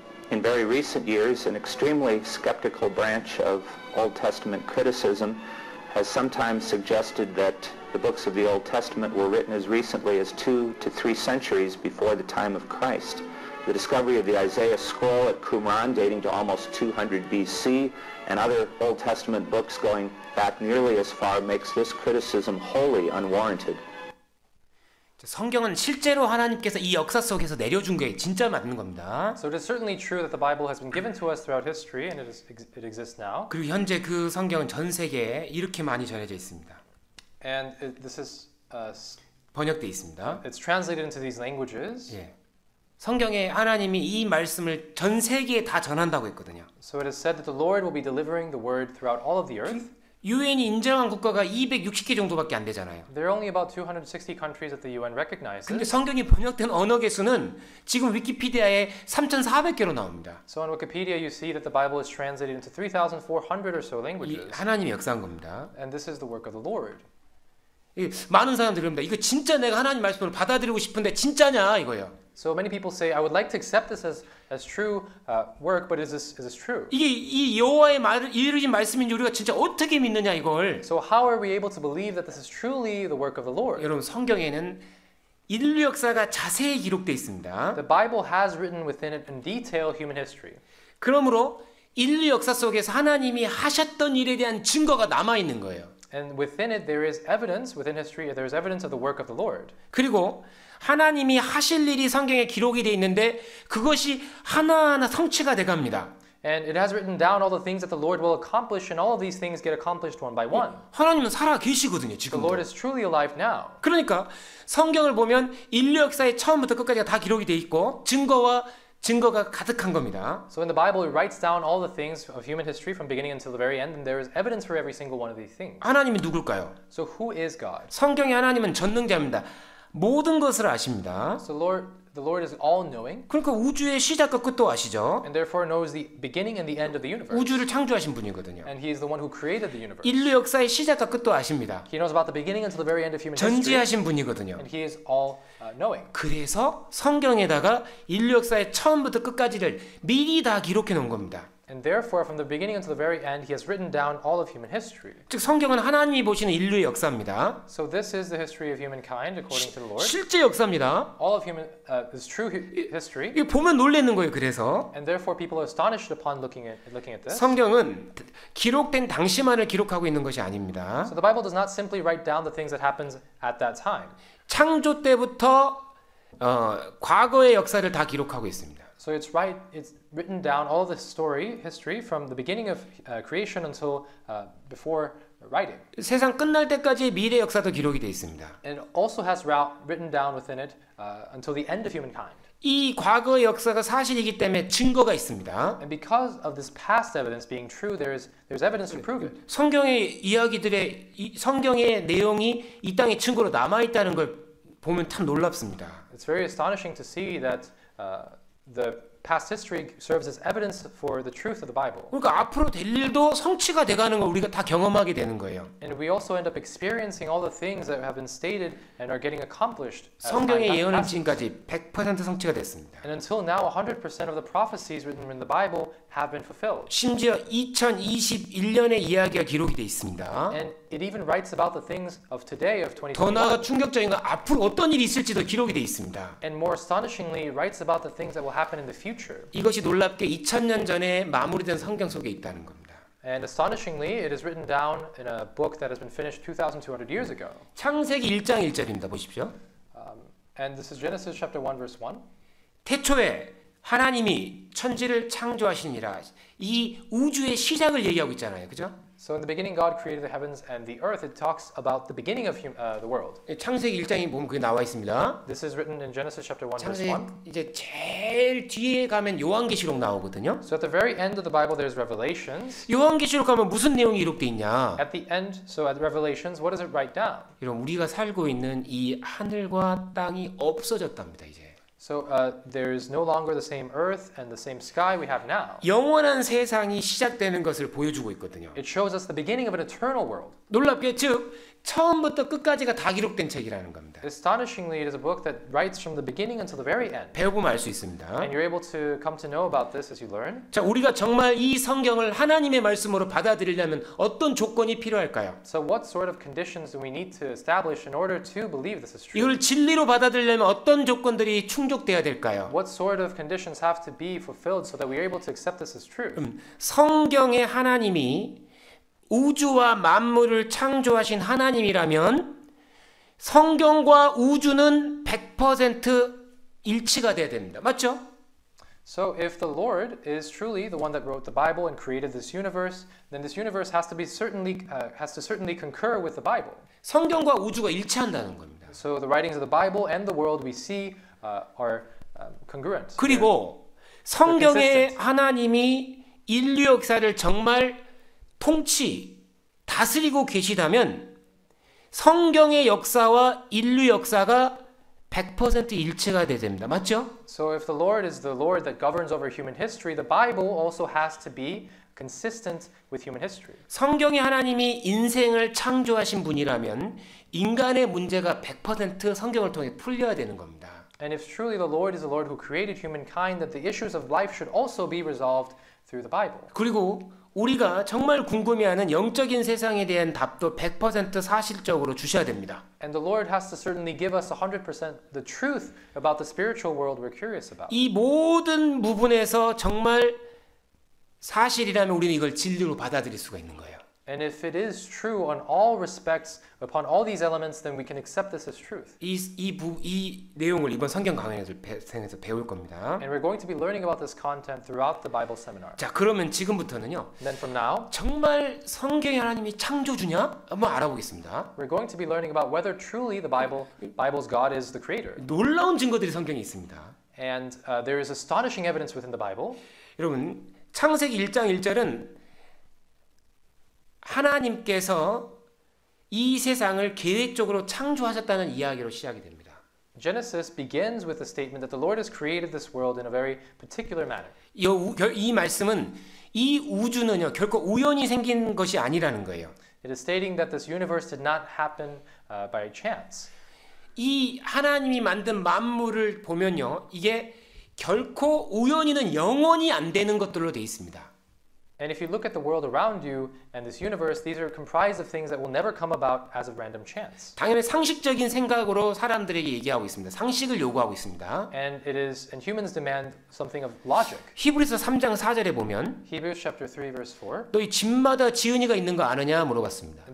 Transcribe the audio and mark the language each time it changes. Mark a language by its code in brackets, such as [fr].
[en] In very recent years, an extremely skeptical branch of Old Testament criticism has sometimes suggested that the books of the Old Testament were written as recently as 2 to 3 centuries before the time of Christ. The discovery of the Isaiah scroll at Qumran dating to almost 200 BC and other Old Testament books going back nearly as far makes this criticism wholly unwarranted. [ko] 성경은 실제로 하나님께서 이 역사 속에서 내려준 게 진짜 맞는 겁니다. [en] So it is certainly true that the Bible has been given to us throughout history and it exists now. [ko] 그리고 현재 그 성경은 전 세계에 이렇게 많이 전해져 있습니다. [en] And this is [ko] 번역돼 있습니다. [en] It's translated into these languages. [ko] 예. 성경에 하나님이 이 말씀을 전 세계에 다 전한다고 했거든요. [en] So it is said that the Lord will be delivering the word throughout all of the earth. [ko] 유엔이 인정한 국가가 260개 정도밖에 안 되잖아요. [en] There are only about 260 countries that the UN recognizes. [ko] 근데 성경이 번역된 언어 개수는 지금 위키피디아에 3,400개로 나옵니다. [en] So on Wikipedia you see that the Bible is translated into 3,400 or so languages. [ko] 이 하나님이 역사한 겁니다. [en] And this is the work of the Lord. [ko] 많은 사람들이 그럽니다. 이거 진짜 내가 하나님 말씀을 받아들이고 싶은데 진짜냐 이거예요. [en] So many people say, I would like to accept this as true work, but is this true? [ko] 이게 이 여호와의 말을 이루신 말씀인지 우리가 진짜 어떻게 믿느냐 이걸. [en] So how are we able to believe that this is truly the work of the Lord? [ko] 여러분 성경에는 인류 역사가 자세히 기록돼 있습니다. [en] The Bible has written within it in detail human history. [ko] 그러므로 인류 역사 속에서 하나님이 하셨던 일에 대한 증거가 남아 있는 거예요. [en] And within it there is evidence within history. There is evidence of the work of the Lord. [ko] 그리고 하나님이 하실 일이 성경에 기록이 돼 있는데 그것이 하나하나 성취가 돼 갑니다. [en] And it has written down all the things that the Lord will accomplish and all of these things get accomplished one by one. [ko] 하나님은 살아 계시거든요, 지금도. [en] The Lord is truly alive now. [ko] 그러니까 성경을 보면 인류 역사의 처음부터 끝까지 다 기록이 돼 있고 증거와 증거가 가득한 겁니다. [en] So in the Bible it writes down all the things of human history from beginning until the very end and there is evidence for every single one of these things. [ko] 하나님이 누굴까요? [en] So who is God? [ko] 성경의 하나님은 전능자입니다. 모든 것을 아십니다. [en] So the Lord is all-knowing. [ko] 그러니까 우주의 시작과 끝도 아시죠. [en] And therefore knows the beginning and the end of the universe. [ko] 우주를 창조하신 분이거든요. [en] And he is the one who created the universe. [ko] 인류 역사의 시작과 끝도 아십니다. [en] He knows about the beginning until the very end of human history. [ko] 전지하신 분이거든요. [en] And he is all-knowing. [ko] 그래서 성경에다가 인류 역사의 처음부터 끝까지를 미리 다 기록해 놓은 겁니다. [en] And therefore, from the beginning until the very end, he has written down all of human history. [ko] 즉 성경은 하나님이 보시는 인류의 역사입니다. [en] So this is the history of humankind according to the Lord. [ko] 실제 역사입니다. [en] All of human is true history. [ko] 이 보면 놀라는 거예요. 그래서. [en] And therefore, people are astonished upon looking at this. [ko] 성경은 기록된 당시만을 기록하고 있는 것이 아닙니다. [en] So the Bible does not simply write down the things that happens at that time. [ko] 창조 때부터 과거의 역사를 다 기록하고 있습니다. [en] So it's written down all the history from the beginning of creation until before writing. [ko] 세상 끝날 때까지 미래 역사도 기록이 되어 있습니다. [en] And it also has written down within it until the end of humankind. [ko] 이 과거 역사가 사실이기 때문에 증거가 있습니다. [en] And because of this past evidence being true, there's evidence to prove it. [ko] 성경의 이야기들의 성경의 내용이 이 땅에 증거로 남아 있다는 걸 보면 참 놀랍습니다. [en] It's very astonishing to see that the past history serves as evidence for the truth of the Bible. [ko] 그러니까 앞으로 될 일도 성취가 돼 가는 거 우리가 다 경험하게 되는 거예요. [en] And we also end up experiencing all the things that have been stated and are getting accomplished. [ko] 성경의 예언은 지금까지 100% 성취가 됐습니다. [en] And until now 100% of the prophecies written in the Bible have been fulfilled. [ko] 심지어 2021년의 이야기가 기록이 돼 있습니다. [en] And it even writes about the things of today of 2021. [ko] 더 나아가 충격적인 건 앞으로 어떤 일이 있을지도 기록이 돼 있습니다. [en] And more astonishingly it writes about the things that will happen in the future. [ko] 이것이 놀랍게 2000년 전에 마무리된 성경 속에 있다는 겁니다. [en] And astonishingly it is written down in a book that has been finished 2200 years ago. [ko] 창세기 1장 1절입니다. 보십시오. [en] And this is Genesis chapter 1 verse 1. [ko] 태초에 하나님이 천지를 창조하시니라. 이 우주의 시작을 얘기하고 있잖아요. 그죠? [en] So in the beginning God created the heavens and the earth. It talks about the beginning of the world. [ko] 창세기 1장에 보면 그게 나와 있습니다. [en] This is written in Genesis chapter 1 [ko] 창세기 [en] verse 1. [ko] 이제 제일 뒤에 가면 요한계시록 나오거든요. [en] So at the very end of the Bible there's Revelations. [ko] 요한계시록 가면 무슨 내용이 기록돼 있냐? [en] At the end, so at Revelations, what does it write down? [ko] 이런 우리가 살고 있는 이 하늘과 땅이 없어졌답니다, 이제. [en] So there is no longer the same earth and the same sky we have now. [ko] 영원한 세상이 시작되는 것을 보여주고 있거든요. [en] It shows us the beginning of an eternal world. [ko] 놀랍게 즉 처음부터 끝까지가 다 기록된 책이라는 겁니다. [en] Astonishingly, it is a book that writes from the beginning until the very end. [ko] 배우면 알 수 있습니다. [en] And you're able to come to know about this as you learn. [ko] 자, 우리가 정말 이 성경을 하나님의 말씀으로 받아들이려면 어떤 조건이 필요할까요? [en] So what sort of conditions do we need to establish in order to believe this is true? [ko] 이걸 진리로 받아들이려면 어떤 조건들이 충족돼야 될까요? [en] What sort of conditions have to be fulfilled so that we are able to accept this as true? [ko] 성경의 하나님이 우주와 만물을 창조하신 하나님이라면 성경과 우주는 100% 일치가 돼야 됩니다. 맞죠? [en] So if the Lord is truly the one that wrote the Bible and created this universe, then this universe has to be certainly has to certainly concur with the Bible. [ko] 성경과 우주가 일치한다는 겁니다. [en] So the writings of the Bible and the world we see are congruent. [ko] 그리고 성경의 하나님이 인류 역사를 정말 통치, 다스리고 계시다면 성경의 역사와 인류 역사가 100% 일치가 돼야 됩니다. 맞죠? [en] So if the Lord is the Lord that governs over human history, the Bible also has to be consistent with human history. [ko] 성경의 하나님이 인생을 창조하신 분이라면 인간의 문제가 100% 성경을 통해 풀려야 되는 겁니다. [en] And if truly the Lord is the Lord who created humankind, that the issues of life should also be resolved through the Bible. [ko] 그리고 우리가 정말 궁금해하는 영적인 세상에 대한 답도 100% 사실적으로 주셔야 됩니다. [en] And the Lord has to certainly give us 100% the truth about the spiritual world we're curious about. [ko] 이 모든 부분에서 정말 사실이라면 우리는 이걸 진리로 받아들일 수가 있는 거예요. [en] And if it is true on all respects upon all these elements then we can accept this as truth. [ko] 이 내용을 이번 성경 강의에서 배울 겁니다. [en] And we're going to be learning about this content throughout the Bible seminar. [ko] 자, 그러면 지금부터는요. [en] Then from now, [ko] 정말 성경의 하나님이 창조주냐? 한번 알아보겠습니다. [en] We're going to be learning about whether truly the Bible's God is the creator. [ko] 놀라운 증거들이 성경에 있습니다. [en] And there is astonishing evidence within the Bible. [ko] 여러분, 창세기 1장 1절은 하나님께서 이 세상을 계획적으로 창조하셨다는 이야기로 시작이 됩니다. [en] Genesis begins with the statement that the Lord has created this world in a very particular manner. [ko] 이 말씀은 이 우주는요, 결코 우연히 생긴 것이 아니라는 거예요. [en] It is stating that this universe did not happen by chance. [ko] 이 하나님이 만든 만물을 보면요, 이게 결코 우연히는 영원히 안 되는 것들로 되어 있습니다. [en] And if you look at the world around you and this universe, these are comprised of things that will never come about as a random chance. [ko] 당연히 상식적인 생각으로 사람들에게 얘기하고 있습니다. 상식을 요구하고 있습니다. [en] And humans demand something of logic. [ko] 히브리서 3장 4절에 보면 [en] Hebrews chapter 3 verse 4. [ko] 너희 집마다 지은이가 있는 거 아느냐 물어봤습니다.